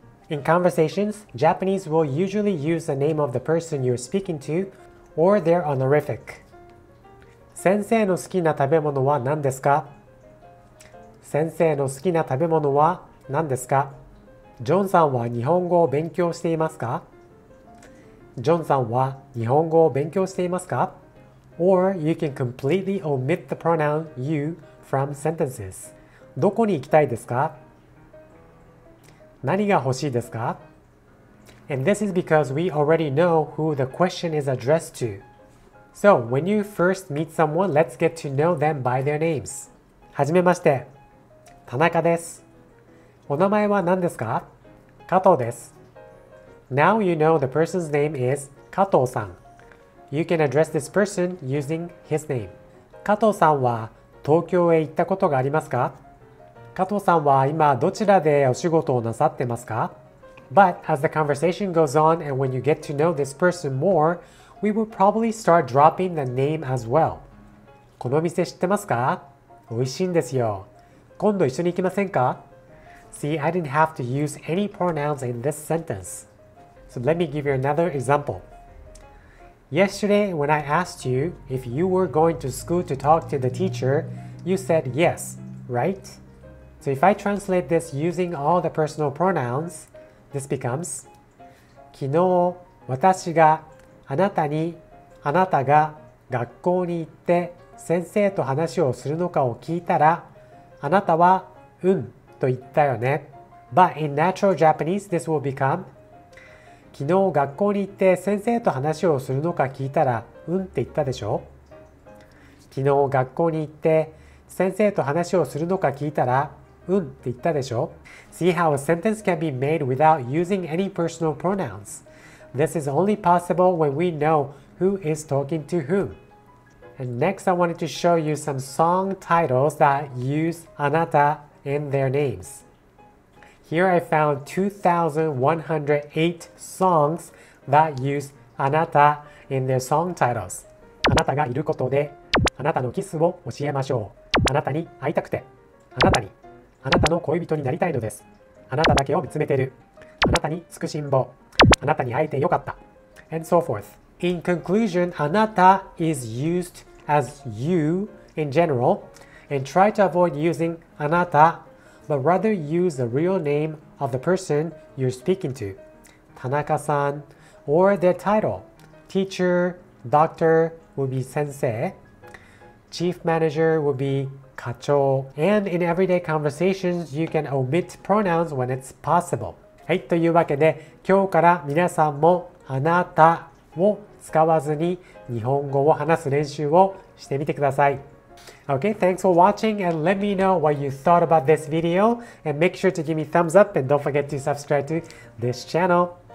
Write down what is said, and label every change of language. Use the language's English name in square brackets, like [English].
[English] In conversations, Japanese will usually use the name of the person you're speaking to or their honorific. [Japanese] 先生の好きな食べ物は何ですか?先生の好きな食べ物は何ですか? ジョンさんは日本語を勉強していますか?ジョンさんは日本語を勉強していますか? [English] Or you can completely omit the pronoun you from sentences. [Japanese] どこに行きたいですか? 何が欲しいですか? [English] And this is because we already know who the question is addressed to. So, when you first meet someone, let's get to know them by their names. [Japanese] はじめまして。田中です。お名前は何ですか?加藤です。 [English] Now you know the person's name is 加藤さん。 You can address this person using his name. [Japanese] 加藤さんは東京へ行ったことがありますか?加藤さんは今どちらでお仕事をなさってますか? [English] But as the conversation goes on and when you get to know this person more, we will probably start dropping the name as well. [Japanese] この店知ってますか?美味しいんですよ。今度一緒に行きませんか? [English] See, I didn't have to use any pronouns in this sentence. So let me give you another example. Yesterday, when I asked you if you were going to school to talk to the teacher, you said yes, right? So if I translate this using all the personal pronouns, this becomes [Japanese] 昨日私があなたにあなたが学校に行って先生と話をするのかを聞いたらあなたはうんと言ったよね。 [English] But in natural Japanese, this will become [Japanese] 昨日学校に行って先生と話をするのか聞いたらうんって言ったでしょ? 昨日学校に行って先生と話をするのか聞いたらうんって言ったでしょ? [English] See how a sentence can be made without using any personal pronouns. This is only possible when we know who is talking to whom. And next, I wanted to show you some song titles that use Anata in their names. Here I found 2,108 songs that use Anata in their song titles. [Japanese] あなたがいることで、あなたのキスを教えましょう。あなたに会いたくて、あなたに、あなたの恋人になりたいのです。あなただけを見つめてる。あなたにつくしんぼ。あなたに会えてよかった。 [English] And so forth. In conclusion, Anata is used as you in general, and try to avoid using Anata, but rather use the real name of the person you're speaking to, Tanaka-san, or their title, teacher, doctor would be sensei, chief manager would be kacho, and in everyday conversations, you can omit pronouns when it's possible. [Japanese] はい、というわけで、今日から皆さんもあなたを使わずに日本語を話す練習をしてみてください。 [English] Okay, thanks for watching and let me know what you thought about this video and make sure to give me thumbs up and don't forget to subscribe to this channel.